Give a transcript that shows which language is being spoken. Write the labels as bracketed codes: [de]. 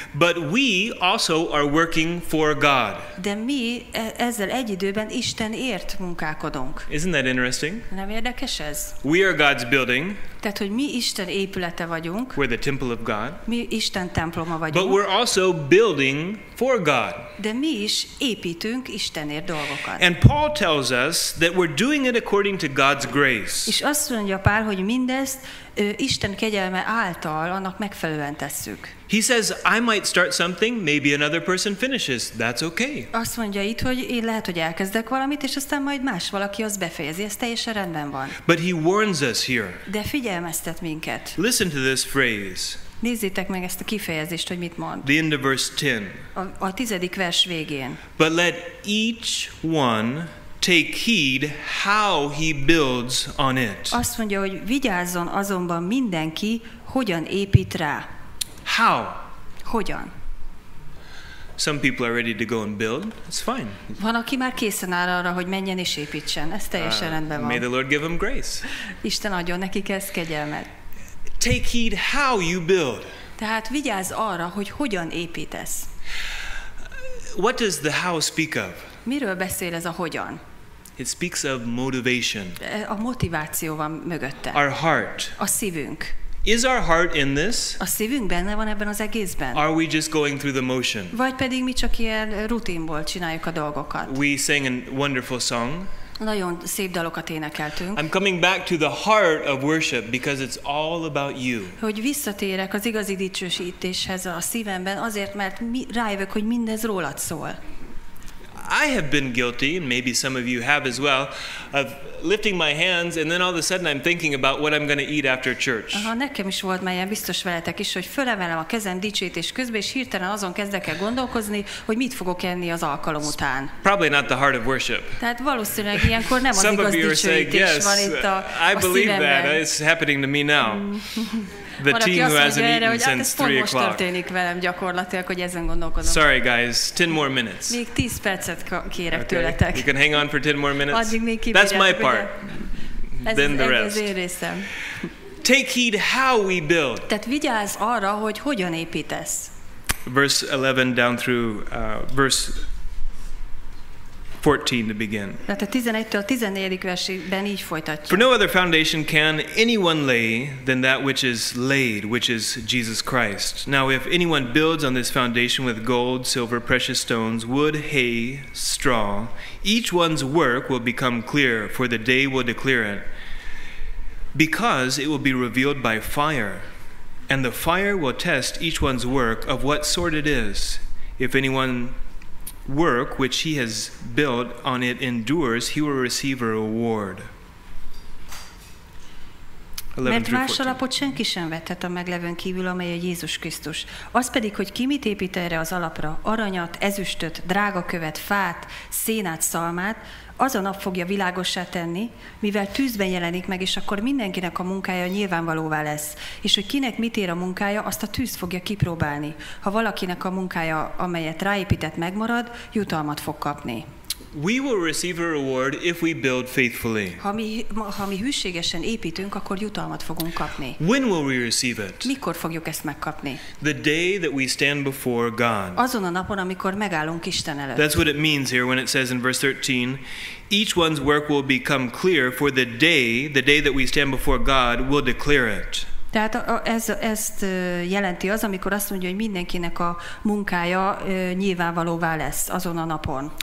[en] But we also are working for God. [hu] De mi ezzel egy időben Istenért munkálkodunk. [en] Isn't that interesting? [hu] Nem érdekes ez? [en] We are God's building. [hu] Tehát, hogy mi Isten épülete vagyunk. [en] We're the temple of God. [hu] Mi Isten temploma vagyunk. [en] But we're also building for God. [hu] De mi is építünk Istenért dolgokat. [en] And Paul tells us that we're doing it according to God's grace. [hu] És azt mondja Pál, hogy mindezt Isten kegyelme által annak megfelelően tesszük. [en] He says, I might start something, maybe another person finishes. That's okay. [hu] Azt mondja itt, hogy én lehet, hogy elkezdek valamit, és aztán majd más valaki azt befejezi, ez teljesen rendben van. [en] But he warns us here. [hu] De figyelmeztet minket. [en] Listen to this phrase. [hu] Nézzétek meg ezt a kifejezést, hogy mit mond. [en] The end of verse 10. [hu] A tizedik vers végén. [en] But let each one take heed how he builds on it. [hu] Azt mondja, hogy vigyázzon azonban mindenki, hogyan épít rá. [en] How? [hu] Hogyan? [en] Some people are ready to go and build. It's fine. [hu] Van, aki már készen áll arra, hogy menjen és építsen. Ez teljesen rendben van. [en] May the Lord give him grace. [hu] Isten adjon nekik ezt kegyelmet. [en] Take heed how you build. [hu] Tehát vigyázz arra, hogy hogyan építesz. [en] What does the how speak of? [hu] Miről beszél ez a hogyan? [en] It speaks of motivation. [hu] A motiváció van mögötte. [en] Our heart. [hu] A szívünk. [en] Is our heart in this? [hu] A szívünk benne van ebben az egészben. [en] Are we just going through the motion? [hu] Vagy pedig mi csak ilyen rutinból csináljuk a dolgokat. [en] We sang a wonderful song. [hu] Nagyon szép dalokat énekeltünk. [en] I'm coming back to the heart of worship because it's all about you. [hu] Hogy visszatérek az igazi dicsőítéshez a szívemben, azért mert rájövök, hogy mindez rólad szól. [en] I have been guilty, and maybe some of you have as well, of lifting my hands, and then all of a sudden I'm thinking about what I'm going to eat after church. [hu] Aha, nekem is volt már ilyen, biztos veletek is, hogy fölemelem a kezem dicsőítés közben, és hirtelen azon kezdek el gondolkozni, hogy mit fogok enni az alkalom után. [en] Probably not the heart of worship. [hu] Tehát valószínűleg ilyenkor nem az igaz dicsőítés van itt a szívemben. [en] I believe that. It's happening to me now. The team who hasn't eaten since 3 o'clock. [hu] Most történik velem gyakorlatilag, hogy ezen gondolkozom. [en] Sorry guys, 10 more minutes. [hu] Még 10 percet kérek tőletek. [en] You can hang on for 10 more minutes. [hu] Addig még kibírjátok. [en] That's my part. Then the rest. [hu] Ez az én részem. [en] Take heed how we build. [hu] Tehát vigyázz arra, hogy hogyan építesz. [en] Verse 11 down through verse 14 to begin. [hu] Tehát a 11-től a 14. versében így folytatja. [en] For no other foundation can anyone lay than that which is laid, which is Jesus Christ. Now if anyone builds on this foundation with gold, silver, precious stones, wood, hay, straw, each one's work will become clear, for the day will declare it, because it will be revealed by fire, and the fire will test each one's work of what sort it is. If anyone work which he has built on it endures, he will receive a reward. [hu] Mert más alapot senki sem vethet a meglevőn kívül, amely a Jézus Krisztus. Az pedig, hogy ki mit épít erre az alapra, aranyat, ezüstöt, drágakövet, fát, szénát, szalmát, az a nap fogja világossá tenni, mivel tűzben jelenik meg, és akkor mindenkinek a munkája nyilvánvalóvá lesz. És hogy kinek mit ér a munkája, azt a tűz fogja kipróbálni. Ha valakinek a munkája, amelyet ráépített, megmarad, jutalmat fog kapni. [en] We will receive a reward if we build faithfully. [hu] Ha mi hűségesen építünk, akkor jutalmat fogunk kapni. [en] When will we receive it? [hu] Mikor fogjuk ezt megkapni? [en] The day that we stand before God. [hu] Azon a napon, amikor megállunk Isten előtt. [en] That's what it means here when it says in verse 13, each one's work will become clear for the day that we stand before God will declare it. [hu] Tehát ezt jelenti az, amikor azt mondja, hogy mindenkinek a munkája nyilvánvalóvá lesz azon a napon.